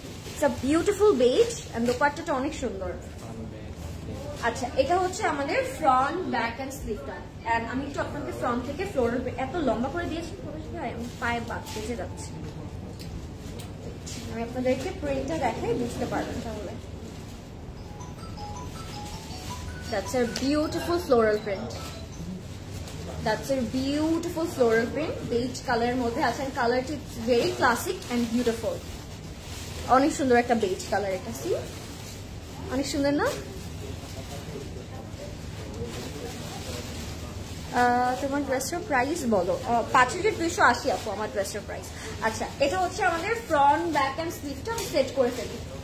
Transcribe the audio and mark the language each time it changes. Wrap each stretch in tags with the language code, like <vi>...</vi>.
<en>it's a beautiful beige</en> <bn>and দোপাট্টাটা অনেক সুন্দর। আচ্ছা, এটা হচ্ছে আমাদের ফ্রন্ট ব্যাক অ্যান্ড স্লিপটা, অ্যান্ড আমি একটু আপনাকে ফ্রন্ট থেকে ফ্লোরাল প্রিন্ট এত লম্বা করে দিয়েছি, পায়ে বাদ বেজে যাচ্ছে, আমি আপনাদেরকে প্রিন্টটা দেখাই, বুঝতে পারবেন তাহলে।</bn> <en>That's a beautiful floral print. That's a beautiful floral print. Beige color</en> <bn>মধ্যে আছে,</bn> <en>and color টি very classic and beautiful.</en> <bn>অনেক সুন্দর একটা beige color এটা, see? অনেক সুন্দর না? তোমার ড্রেসের প্রাইস বলো, 5280 আপু আমার ড্রেসের প্রাইস। আচ্ছা, এটা হচ্ছে আমাদের ফ্রন্ট ব্যাক অ্যান্ড স্লিভটা, আমি সেট করে ফেলি।</bn>